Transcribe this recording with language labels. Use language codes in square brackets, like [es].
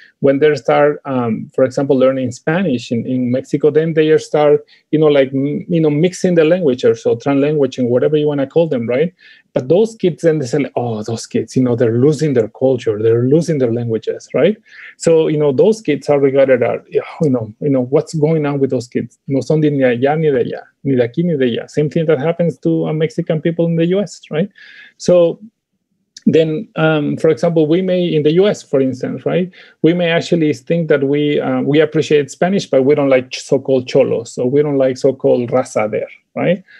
[en] When they start, for example, learning Spanish in Mexico, then they start, you know, like, you know, mixing the languages or translanguaging, whatever you want to call them, right? But those kids then they say, oh, those kids, you know, they're losing their culture, they're losing their languages, right? So, you know, those kids are regarded as, you know, what's going on with those kids? [es] No son de ni allá ni de allá, ni de aquí ni de allá. [en] Same thing that happens to Mexican people in the U.S., right? So then, for example, we may, in the U.S., for instance, right, we may actually think that we appreciate Spanish, but we don't like so-called cholos, so we don't like so-called raza there. Right.